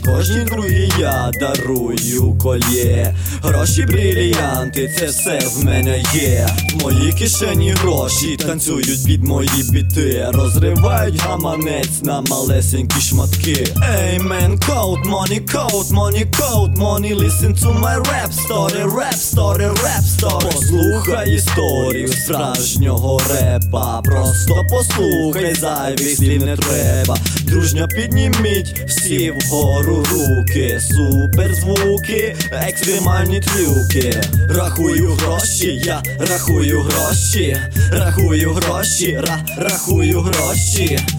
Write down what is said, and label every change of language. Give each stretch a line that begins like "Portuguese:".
Ukrainian: Кожні другі я дарую кольє. Гроші, бриліанти, це все в мене є. Мої кишені гроші танцюють під мої біти, розривають гаманець на малесенькі шматки.
English: Amen, code, money, code, money, code, money. Listen to my rap story, rap story, rap story.
Ukrainian: Послухай історію справжнього репа. Просто послухай, зайвих слів не треба. Дружня, підніміть всі вгору руки. Суперзвуки, екстремальні трюки. Рахую гроші, я рахую гроші, рахую гроші, рахую гроші.